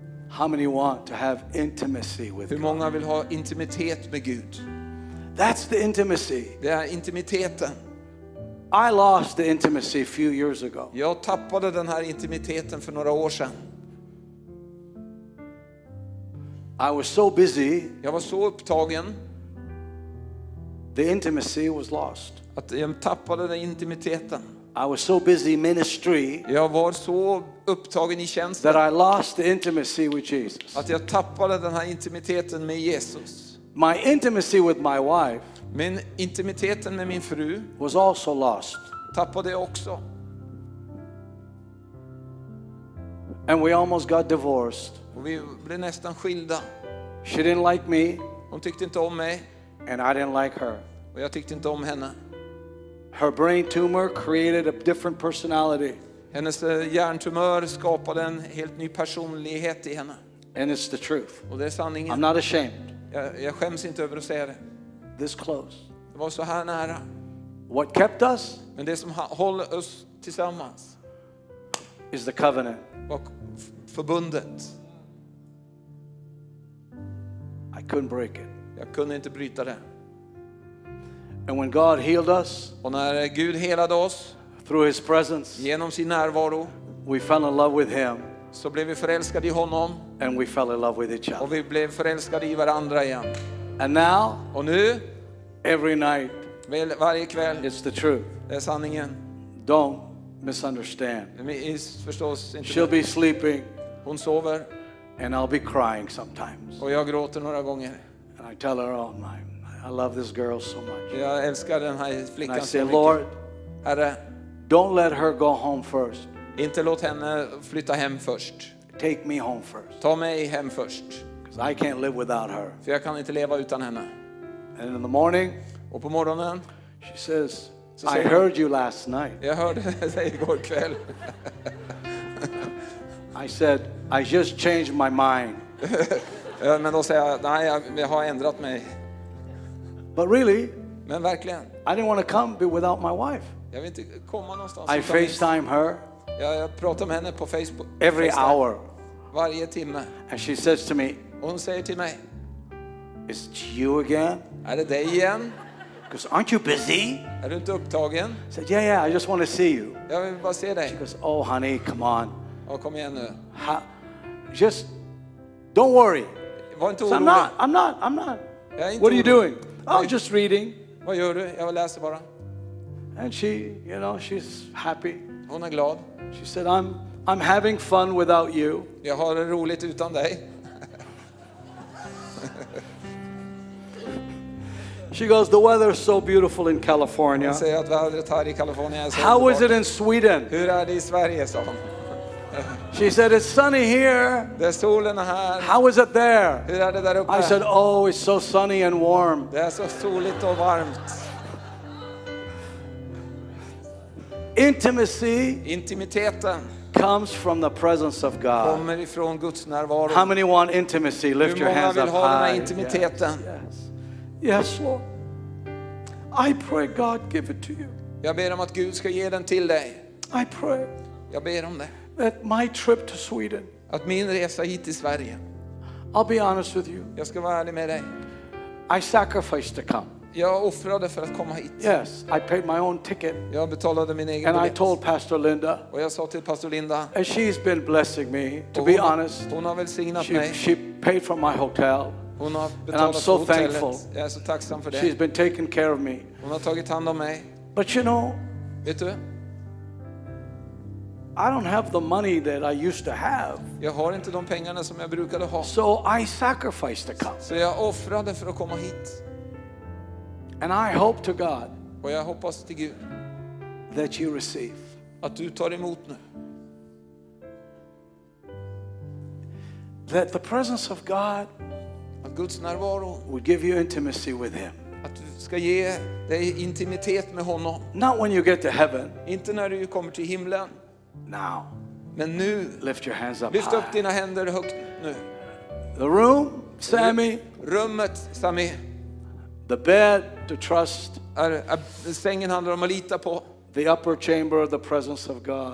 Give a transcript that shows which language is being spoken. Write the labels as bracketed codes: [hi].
[en] How many want to have intimacy with God? [sv] Hur många vill ha intimitet med Gud? [en] That's the intimacy. [sv] Det är intimiteten. [en] I lost the intimacy a few years ago. [sv] Jag tappade den här intimiteten för några år sedan. [en] I was so busy. [sv] Jag var så upptagen. [en] The intimacy was lost. [sv] Att jag tappade den intimiteten. [en] I was so busy ministry. [sv] Jag var så upptagen i tjänsten. [en] That I lost the intimacy with Jesus. [sv] Att jag tappade den här intimiteten med Jesus. [en] My intimacy with my wife. [sv] Min intimiteten med min fru. [en] Was also lost. [sv] Tappade också. [en] And we almost got divorced. [sv] Och vi blev nästan skilda. [en] She didn't like me. [sv] Hon tyckte inte om mig. [en] And I didn't like her. [sv] Och jag tyckte inte om henne. [en] Her brain tumor created a different personality. [sv] Hennes hjärntumör skapade en helt ny personlighet i henne. [en] And it's the truth. [sv] Och det är sanningen. [en] I'm not ashamed. [sv] Jag skäms inte över att säga det. [en] This close. [sv] Det var så här nära. [en] What kept us? [sv] Men det som håller oss tillsammans. [en] Is the covenant. [sv] Och förbundet. [en] I couldn't break it. [sv] Jag kunde inte bryta det. [en] And when God healed us, [sv] och när Gud helade oss, [en] through His presence, [sv] genom sin närvaro, [en] we fell in love with Him. [sv] Så blev vi förälskade i honom, [en] and we fell in love with each other. [sv] Och vi blev förälskade i varandra igen. [en] And now, [sv] och nu, [en] every night, [sv] varje kväll, [en] it's the truth. [sv] Det är sanningen. [en] Don't misunderstand. [sv] Förstås inte. [en] She'll be sleeping. [sv] Hon sover. [en] And I'll be crying sometimes. [sv] Och jag gråter några gånger. [en] And I tell her all my. I love this girl so much. [sv] Jag älskar den här flickan. [en] And I say, Lord, [sv] Herre, [en] don't let her go home first. [sv] Inte låt henne flytta hem först. [en] Take me home first. [sv] Ta mig hem först. [en] So I can't live without her. [sv] För jag kan inte leva utan henne. [en] And in the morning, [sv] och på morgonen, [en] she says, I heard you last night. [sv] Jag hörde dig igår kväll. [en] I said, I just changed my mind. [sv] Men då säger jag, nej, jag har ändrat mig. [en] But really? [sv] Men verkligen. [en] I didn't want to come without my wife. [sv] Jag vill inte komma någonstans. [en] I FaceTime her. [sv] Jag pratar med henne på Facebook. [en] Every hour. [sv] Varje timme. [en] And she says to me. [sv] Och hon säger till mig. [en] Is it you again? [sv] Är det dig igen? [en] Because aren't you busy? [sv] Är du inte upptagen? [en] I said, yeah, I just want to see you. [sv] Jag vill bara se dig. [en] She goes, oh honey, come on. [sv] Och kom igen nu. [en] Just don't worry. [sv] Var inte orolig. [en] I'm not. [sv] Jag är inte [en] what are you doing? Oh, just reading. [sv] Vad gör du? Jag läser bara. [en] And she, you know, she's happy. [sv] Hon är glad. [en] She said, I'm having fun without you. [sv] Jag har det roligt utan dig. [en] She goes, the weather is so beautiful in California. [sv] Hon säger att vädret här i Kalifornien är så. [en] How is it in Sweden? [sv] Hur är det i Sverige, sa hon. [en] She said, it's sunny here. [sv] Det är solen här. [en] How is it there? [sv] Hur är det där uppe? [en] I said, oh, it's so sunny and warm. [sv] Det är så soligt och varmt. [en] Intimacy. [sv] Intimiteten. [en] Comes from the presence of God. [sv] Kommer ifrån Guds närvaro. [en] How many want intimacy? Lift your hands up high. [sv] Hur många vill ha intimiteten? [en] Yes, Lord. I pray God give it to you. [sv] Jag ber om att Gud ska ge den till dig. [en] I pray. [sv] Jag ber om det. [en] That my trip to Sweden. [sv] Att min resa hit till Sverige. [en] I'll be honest with you. [sv] Jag ska vara ärlig med dig. [en] I sacrificed to come. [sv] Jag offrade för att komma hit. [en] Yes, I paid my own ticket. [sv] Jag betalade min egen biljett. [en] And I told Pastor Linda. [sv] Och jag sa till Pastor Linda. [en] And she's been blessing me. To be honest. [sv] Hon har välsignat mig. [en] She paid for my hotel. [sv] Hon har betalat. [en] And I'm so thankful. [sv] Jag är så tacksam för det. [en] She's been taking care of me. [sv] Hon har tagit hand om mig. [en] But you know. [sv] Vet du? [en] I don't have the money that I used to have. [sv] Jag har inte de pengarna som jag brukade ha. [en] So I sacrificed to come. [sv] Så jag offrade för att komma hit. [en] And I hope to God. [sv] Och jag hoppas till Gud. [en] That you receive. [sv] Att du tar emot nu. [en] That the presence of God. [sv] Att Guds närvaro. [en] Will give you intimacy with him. [sv] Att du ska ge dig intimitet med honom. [en] Not when you get to heaven. [sv] Inte när du kommer till himlen. [en] Now, [sv] men nu, [en] lift your hands up. [sv] Lyft upp dina händer högt nu. [en] The room, Sammy. [sv] Rummet, Sammy. [en] The bed to trust. [sv] Sängen handlar om att lita på. [en] The upper chamber of the presence of God.